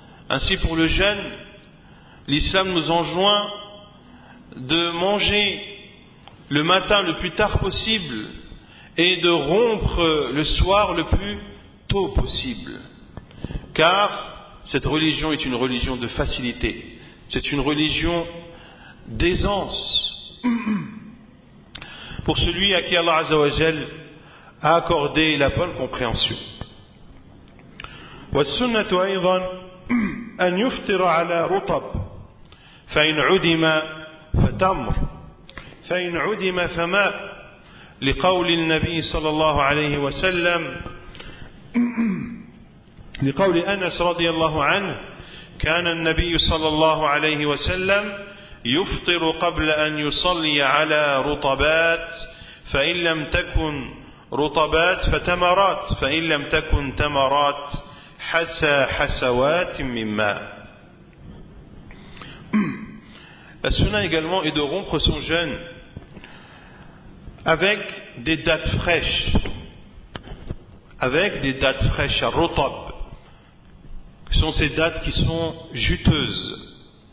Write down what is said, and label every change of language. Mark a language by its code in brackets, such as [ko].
[fr] Ainsi pour le jeûne, l'islam nous enjoint de manger le matin le plus tard possible et de rompre le soir le plus tôt possible. Car cette religion est une religion de facilité, c'est une religion d'aisance pour celui à qui Allah Azza wa Jal a accordé la bonne compréhension. [ar] والسنة أيضا أن يفطر على رطب فإن عدم فتمر فإن عدم فماء لقول النبي صلى الله عليه وسلم لقول أنس رضي الله عنه كان النبي صلى الله عليه وسلم يفطر قبل أن يصلي على رطبات فإن لم تكن رطبات فتمرات فإن لم تكن تمرات حسوات مما. [fr] La sunna également est de rompre son jeûne avec des dattes fraîches. Avec des dattes fraîches, rotab. Ce sont ces dattes qui sont juteuses.